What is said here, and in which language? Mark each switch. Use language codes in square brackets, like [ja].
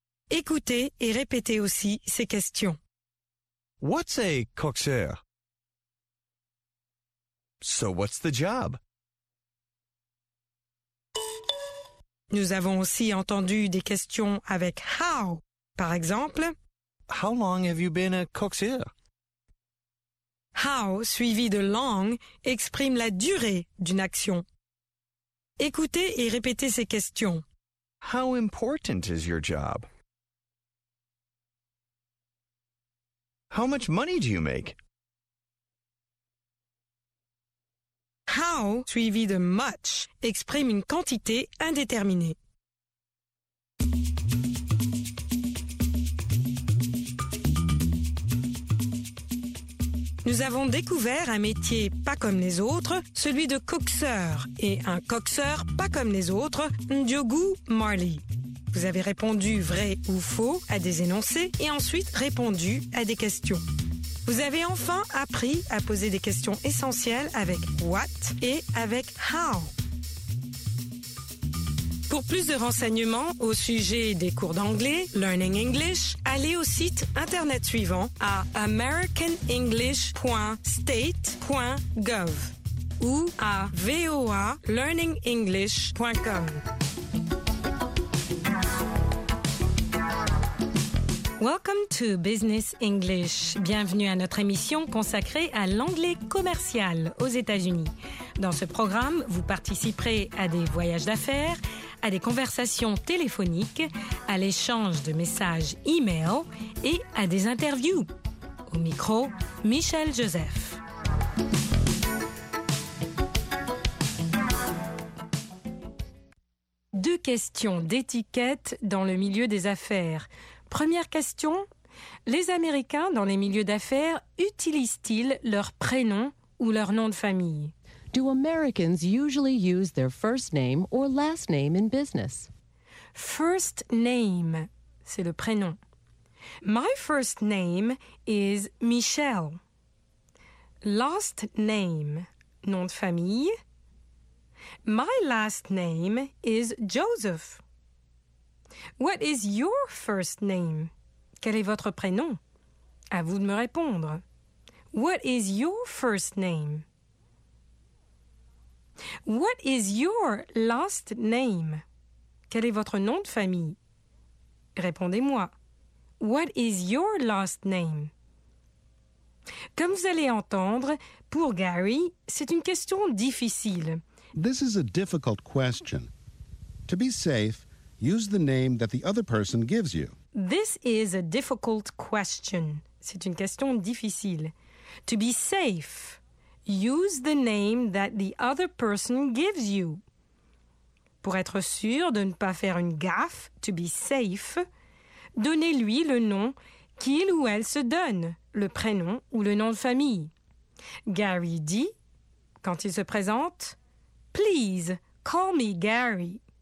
[fr] Écoutez et répétez aussi ces questions. [en] What's a coxeur? So what's the job? [fr] Nous avons aussi entendu des questions avec how. Par exemple, [en] how long have you been a coxeur? [fr] How suivi de long exprime la durée d'une action. Écoutez et répétez ces questions. [en] How important is your job? How much money do you make? [fr] How suivi de much exprime une quantité indéterminée. Nous avons découvert un métier pas comme les autres, celui de coxeur, et un coxeur pas comme les autres, Ndiogu Marley. Vous avez répondu vrai ou faux à des énoncés et ensuite répondu à des questions. Vous avez enfin appris à poser des questions essentielles avec « what » et avec « how ». Pour plus de renseignements au sujet des cours d'anglais « Learning English », allez au site Internet suivant à americanenglish.state.gov ou à voalearningenglish.com. [en] Welcome to Business English. [fr] Bienvenue à notre émission consacrée à l'anglais commercial aux États-Unis. Dans ce programme, vous participerez à des voyages d'affaires, à des conversations téléphoniques, à l'échange de messages e-mail et à des interviews. Au micro, Michel Joseph. Deux questions d'étiquette dans le milieu des affaires. Première question, les Américains dans les milieux d'affaires utilisent-ils leur prénom ou leur nom de famille? [en] Do Americans usually use their first name or last name in business? First name, [fr] c'est le prénom. [en] My first name is Michelle. Last name, [fr] nom de famille. [en] My last name is Joseph. What is your first name? [fr] Quel est votre prénom? À vous de me répondre. [en] What is your first name? What is your last name? [fr] Quel est votre nom de famille? Répondez-moi. [en] What is your last name? [fr] Comme vous allez entendre, pour Gary, c'est une question difficile. [en] This is a difficult question. To be safe, use the name that the other person gives you. This is a difficult question. [fr] C'est une question difficile. [en] To be safe, use the name that the other person gives you. [fr] Pour être sûr de ne pas faire une gaffe, [en] to be safe, [fr] donnez-lui le nom qu'il ou elle se donne, le prénom ou le nom de famille. Gary dit, quand il se présente, [en] Please, call me Gary.